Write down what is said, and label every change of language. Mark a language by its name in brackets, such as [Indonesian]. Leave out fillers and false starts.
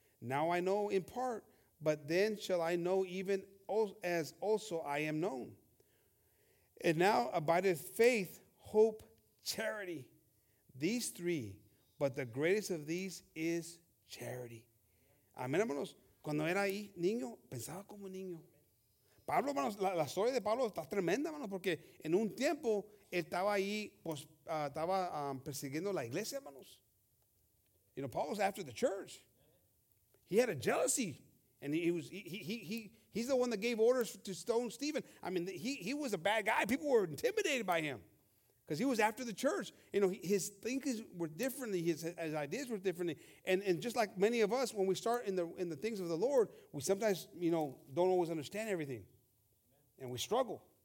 [English] Now I know in part, but then shall I know even as also I am known. And now abideth faith, hope, charity. These three, but the greatest of these is charity. [Spanish] Amén, hermanos. Cuando era ahí, niño, pensaba como niño. Pablo, hermanos, la historia de Pablo está tremenda, hermanos, porque en un tiempo él estaba ahí, pues, estaba persiguiendo la iglesia, hermanos. [English] You know, Paul was after the church. He had a jealousy, and he's the one that gave orders to stone Stephen. I mean, he was a bad guy. People were intimidated by him because he was after the church. You know, his thinkings were differently. His ideas were differently. And just like many of us, when we start in the things of the Lord, we sometimes, you know, don't always understand everything. And we struggle.